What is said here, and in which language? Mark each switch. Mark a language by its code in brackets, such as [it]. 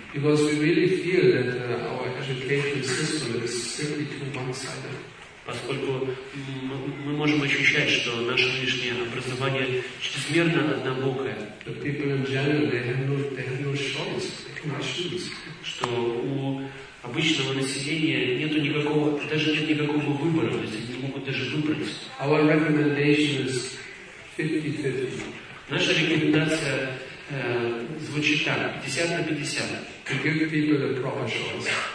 [en] Because we really feel that our education system is simply too one-sided. [ru] Поскольку мы можем ощущать, что наше нынешнее образование чрезмерно однобокое. [en] The people in general, they have no choice. [ru] Что у обычного населения нет никакого выбора, то есть они не могут даже выбрать. [en] Our recommendation is 50-50. [ru] Наша рекомендация звучит так, 50 на 50. [en] To give people the proper choice.